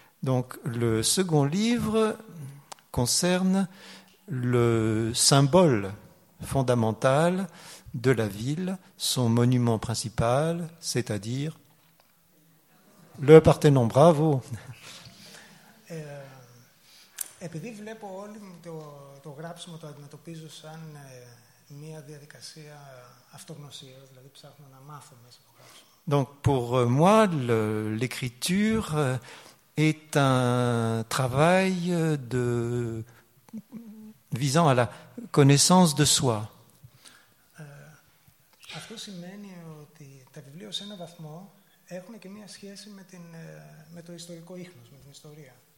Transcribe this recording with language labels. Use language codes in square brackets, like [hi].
[fr] Donc le second livre concerne le symbole fondamental de la ville, son monument principal, c'est-à-dire le Parthénon. Bravo. [el] Επειδή βλέπω όλη μου το γράψιμο το αντιμετωπίζω σαν μια διαδικασία αυτογνωσίας, δηλαδή ψάχνω να μάθω μέσα από το γράψιμο. [fr] Donc pour moi l'écriture est un travail de visant à la connaissance de soi. [el] Αυτό σημαίνει ότι τα βιβλία σε ένα βαθμό έχουν και μια σχέση με το ιστορικό ίχνος, με την ιστορία.